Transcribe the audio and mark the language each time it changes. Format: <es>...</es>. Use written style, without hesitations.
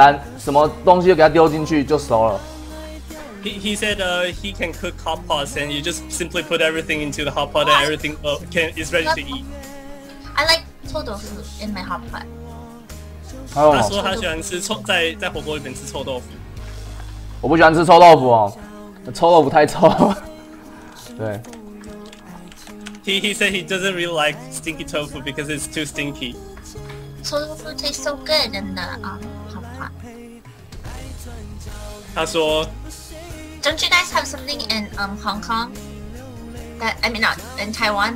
<zh>你可以帮我说吗？就是煮火锅哦，就更简单，什么东西就给它丢进去就熟了。</zh> <en>He said he can cook hot pots and you just simply put everything into the hot pot and everything is ready to eat. I like 臭豆腐 in my hot pot.</en> <zh>他说他喜欢吃臭在火锅里面吃臭豆腐。我不喜欢吃臭豆腐哦，臭豆腐太臭了。对。</zh> <en>He said he doesn't really like stinky tofu because it's too stinky. 臭豆腐 tastes so good in the hot pot.</en> <zh>他说</zh> <en>Don't you guys have something in Hong Kong? That I mean, not in Taiwan.</en>